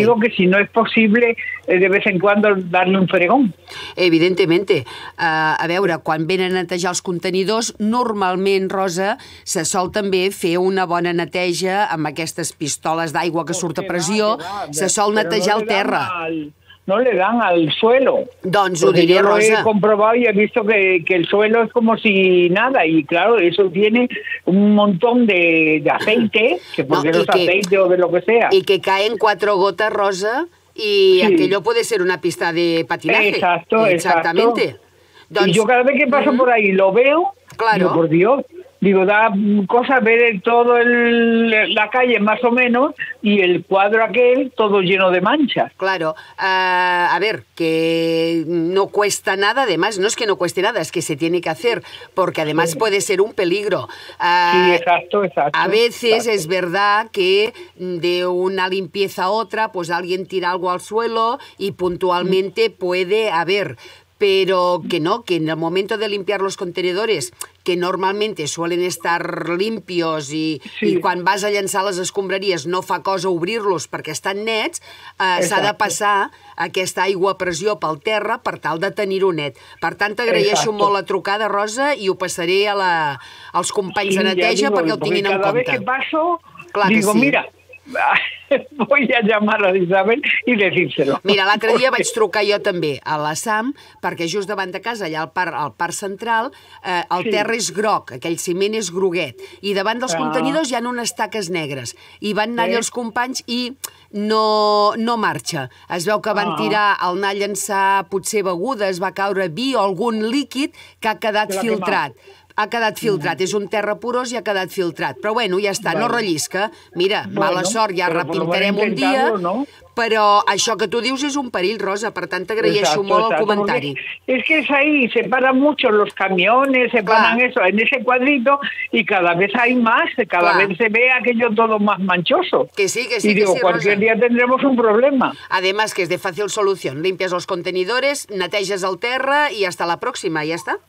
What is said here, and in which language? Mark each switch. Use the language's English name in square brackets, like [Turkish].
[Spanish] Digo que si no es posible, de vez en cuando darle un fregón. Evidentemente. [Catalan] A veure, quan venen a netejar els contenidors, normalment, Rosa, se sol també fer una bona neteja amb aquestes pistoles d'aigua que surt a pressió, se sol netejar el terra. [Spanish] No le dan al suelo. [Catalan] Doncs ho diré, Rosa. [Spanish] Yo lo he comprobado y he visto que el suelo es como si nada. Y claro, eso tiene un montón de aceite, que porque no, los aceite o de lo que sea. Y que caen cuatro gotas, Rosa, y sí. Aquello puede ser una pista de patinaje. Exacto. Exactamente. Exacto. Doncs, y yo cada vez que paso por ahí lo veo, claro. Digo, por Dios. Digo, da cosa ver todo la calle, más o menos, y el cuadro aquel todo lleno de manchas. Claro. A ver, que no cuesta nada, además, no es que no cueste nada, es que se tiene que hacer, porque además puede ser un peligro. Sí, exacto. A veces exacto. Es verdad que de una limpieza a otra, pues alguien tira algo al suelo y puntualmente puede haber... Pero que no, que en el momento de limpiar los contenedores, que normalmente suelen estar limpios y, sí. [Catalan] Y quan vas a llançar les escombraries no fa cosa obrir-los perquè estan nets, s'ha de passar aquesta aigua a pressió pel terra per tal de tenir-ho net. Per tant, t'agraeixo exacto. Molt la trucada, Rosa, i ho passaré als companys sí, de neteja digo, perquè ho tinguin en compte. [Spanish] Cada vez que paso, digo, que sí. Mira... Voy a llamar a Isabel y decírselo. [Catalan] Mira, l'altre dia vaig trucar jo també a la SAM, perquè just davant de casa, allà al parc central, el sí. Terra és groc, aquell ciment és groguet, i davant dels contenidors hi ha unes taques negres, i van anar-hi els companys i no marxa. Es veu que van tirar, al anar a llançar potser begudes, va caure vi o algun líquid que ha quedat filtrat. Ha quedat filtrat, és un terra porós i ha quedat filtrat. Però bueno, ja està, no rellisca. Mira, mala sort, ja repintarem un dia. Però això que tu dius és un perill, Rosa, per tant t'agraeixo molt el comentari. [Spanish] És que és ahí, se paran mucho los camiones, se paran eso, en ese cuadrito, y cada vez hay más, cada vez se ve aquello todo más manchoso. Que sí, Rosa. Y digo, cualquier día tendremos un problema. Además que es de fácil solución, limpias los contenidores, [Catalan] neteges el terra [Spanish] y hasta la próxima, ya está.